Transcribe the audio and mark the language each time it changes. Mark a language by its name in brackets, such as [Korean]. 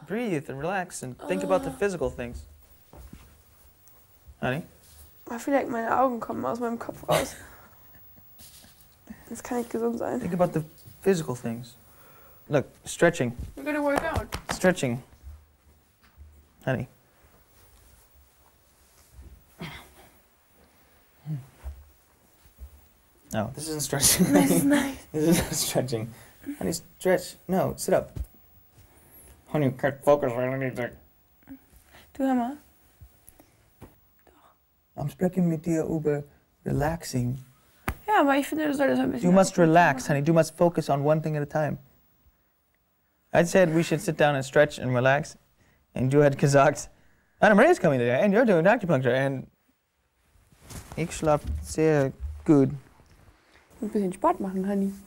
[English] Breathe and relax and think about the physical things. Honey? [German] Vielleicht meine Augen kommen aus meinem Kopf raus. Das kann nicht gesund sein. [English] Think about the physical things. Look, stretching. We're gonna work out. Stretching. Honey. No, this isn't stretching. This is nice. This isn't stretching. Honey, stretch. No, sit up. Honey, can't focus on anything. [German] Du hör mal. [English] I'm speaking [German] mit dir über [English] relaxing. [German] Ja, aber ich finde, du solltest ein bisschen. [English] You must relax, honey. You must focus on one thing at a time. I said we should sit down and stretch and relax. And [German] du hast gesagt, [English] Anna Maria's coming today, and you're doing acupuncture, and. [German] Ich schlaf sehr gut. Ein bisschen Sport machen, honey.